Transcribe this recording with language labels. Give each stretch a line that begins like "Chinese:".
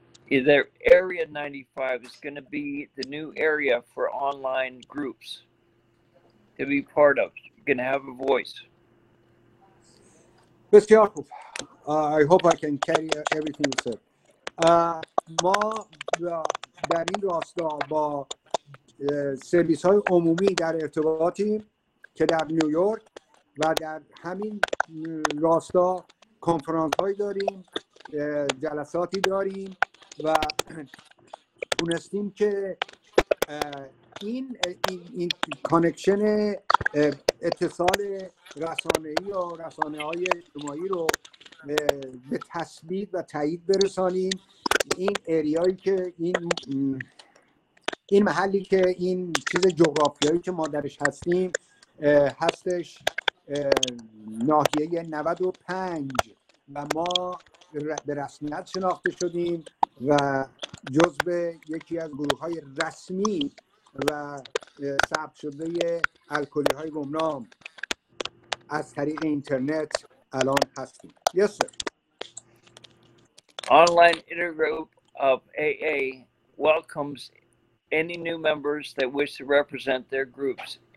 English: Their Area 95 is going to be the new area for online groups to be part of. You're going to have a voice.
Persian: بسیار خوب.
English: I hope I can carry everything you said.
Persian: ما در این راستا با سرویس های عمومی در ارتباطیم که در نیویورک و در همین راستا کنفرانس های داریم، جلساتی داریم و تونستیم که این کانکشن اتصال رسانه‌ای و رسانه‌های اجتماعی رو به تثبیت و تایید برسانیم. این ایریایی که این محلی که این چیز جغرافیایی که ما درش هستیم هستش ناحیه 95 و ما به رسمیت شناخته شدیم و جزء یکی از گروه‌های رسمی و ثبت شده الکلی‌های گمنام از طریق اینترنت الان هستیم.
English: Yes sir. Online intergroup of AA welcomes any new members that wish to represent their groups.